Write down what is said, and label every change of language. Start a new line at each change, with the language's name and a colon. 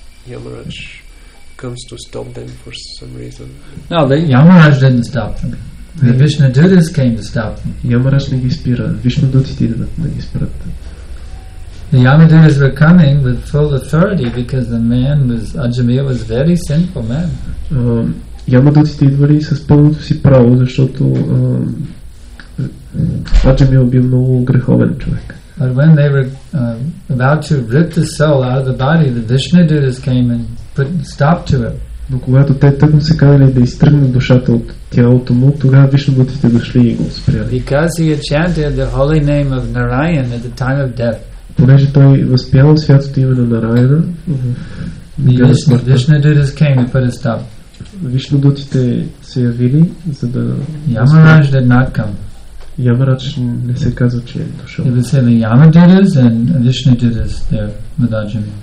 English: Yamaraj comes to stop them for some reason. No, Yamaraj didn't stop them. The Vishnudutas came to stop them.
Bulgarian: Yamaraj не ги спира. Vishnudutite идват да ги спират.
English: The Yamadutas were coming with full authority because the man was Ajamiya was a very sinful man.
Bulgarian: Yamadutite идвали с пълното си право, защото Ajamiya бил много греховен човек.
English: But when they were about to rip the soul out of the body, the Vishnudutas came and put stop to it.
Bulgarian: Но когато те тъкмо се казали да изтръгнат душата от тялото му, тогава Вишнудутите дошли и го спряли.
English: Because he had chanted the holy name of Narayan at the time of death.
Bulgarian: Понеже той възпял святото име на Нараяна,
English: Вишнудутите came to put a stop.
Bulgarian: Вишнудутите се явили, за да...
English: Yamaraj did not come.
Bulgarian: Yamaraj не се казва, че е дошъл.
English: It was only Yamadutas and Vishnudutas there with Ajamiya.